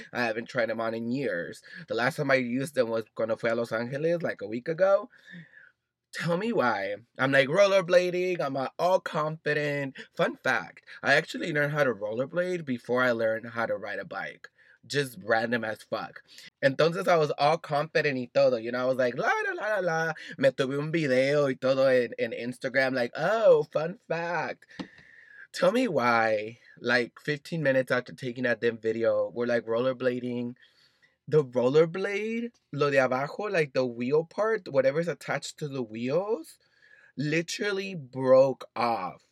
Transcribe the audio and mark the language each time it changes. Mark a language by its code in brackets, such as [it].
[en] I haven't tried them on in years. The last time I used them was [es] cuando fui a Los Angeles, [en] like a week ago. Tell me why. I'm like rollerblading. I'm all confident. Fun fact, I actually learned how to rollerblade before I learned how to ride a bike. Just random as fuck. [es] Entonces, [en] I was all confident [es] y todo. [en] You know, I was like, la, la, la, la, la. [es] Me tuve un video y todo en Instagram. [en] Like, oh, fun fact. Tell me why, like, 15 minutes after taking that damn video, we're, like, rollerblading. The rollerblade, [es] lo de abajo, [en] like, the wheel part, whatever's attached to the wheels, literally broke off.